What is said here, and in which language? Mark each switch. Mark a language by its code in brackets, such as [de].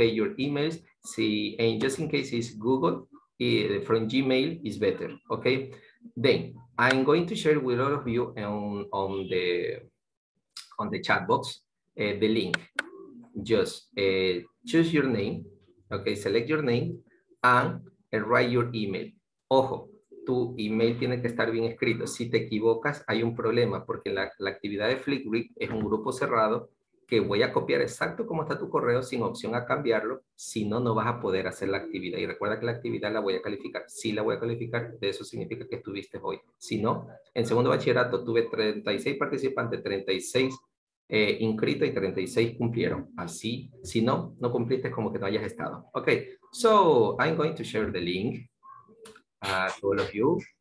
[en] Your emails, si, and just in case it's Google, from Gmail is better, ¿ok? Then, I'm going to share with all of you on the chat box, the link. Just choose your name, okay, select your name, and write your email. [es] Ojo, tu email tiene que estar bien escrito. Si te equivocas, hay un problema, porque la actividad de Flipgrid es un grupo cerrado que voy a copiar exacto como está tu correo sin opción a cambiarlo, si no, no vas a poder hacer la actividad. Y recuerda que la actividad la voy a calificar. Si la voy a calificar, de eso significa que estuviste hoy. Si no, en segundo bachillerato tuve 36 participantes, 36 inscritos y 36 cumplieron. Así, si no, no cumpliste, como que no hayas estado. [en] Ok, so I'm going to share the link to all of you.